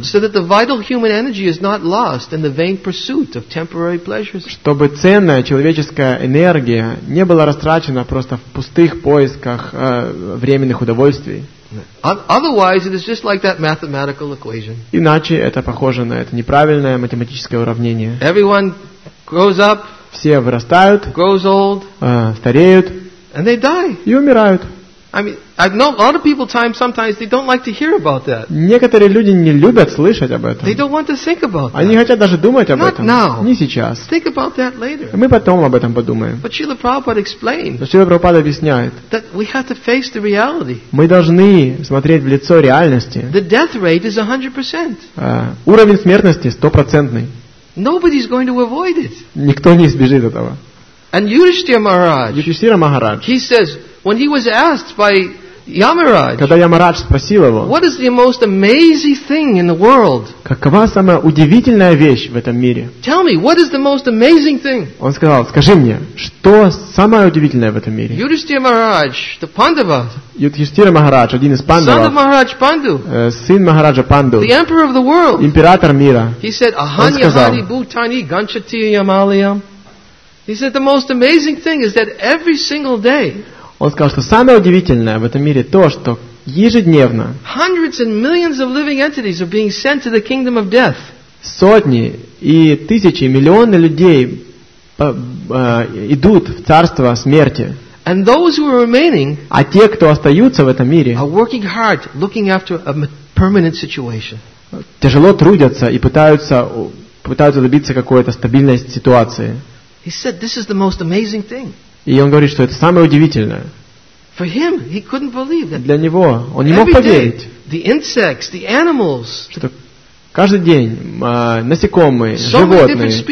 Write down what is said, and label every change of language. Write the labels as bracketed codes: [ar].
[en] so that the vital human energy is not lost in the vain pursuit of temporary pleasures. [ru] Чтобы ценная человеческая энергия не была растрачена просто в пустых поисках временных удовольствий. [en] Otherwise, it is just like that mathematical equation. [ru] Иначе это похоже на это неправильное математическое уравнение. [en] Everyone grows up. [ru] Все вырастают, [en] grows old, [ru] стареют, [en] and they die. [ru] И умирают. [en] I mean, I know a lot of people time sometimes they don't like to hear about that. [ru] Некоторые люди не любят слышать об этом. [en] They don't want to think about that. [ru] Они хотят даже думать об [en] Not [ru] этом. [en] Now. [ru] Не сейчас. [en] Think about that later. [ru] Мы потом об этом подумаем. [en] But Srila Prabhupada explained. [ru] Но Srila Prabhupada объясняет. [en] That we have to face the reality. [ru] Мы должны смотреть в лицо реальности. [en] The death rate is 100%. [ru] Уровень смертности 100%. [en] Nobody's going to avoid it. [ru] Никто не избежит этого. [en] And Yudhishthira Maharaj. He says when he was asked by Yamaraj. [ru] Когда Ямарадж спросил его. [en] What is the most amazing thing in the world? [ru] Какова самая удивительная вещь в этом мире? [en] Tell me, what is the most amazing thing? [ru] Он сказал: скажи мне, что самое удивительное в этом мире? [en] Yudhishthira Maharaj, the Pandava. [ru] Yudhishthira Maharaj, один из Пандавов. [en] Son of Maharaj Pandu. [ru] Сын Махараджа Панду. [en] The emperor of the world. [ru] Император мира. [en] He said, [sa] Ahanyahari Bhutani Ganchati Yamaliam. [en] He said, the most amazing thing is that every single day. [ru] Он сказал, что самое удивительное в этом мире то, что ежедневно [en] hundreds and millions of living entities are being sent to the kingdom of death. [ru] Сотни и тысячи, миллионы людей идут в царство смерти. [en] And those who are remaining, [ru] а те, кто остаются в этом мире, [en] are working hard, looking after a permanent situation. [ru] Тяжело трудятся и пытаются добиться какой-то стабильной ситуации. [en] He said, this is the most amazing thing. [ru] И он говорит, что это самое удивительное. [en] For him, he couldn't believe that. [ru] Для него он не мог поверить. [en] The insects, the animals, [ru] что каждый день насекомые, животные.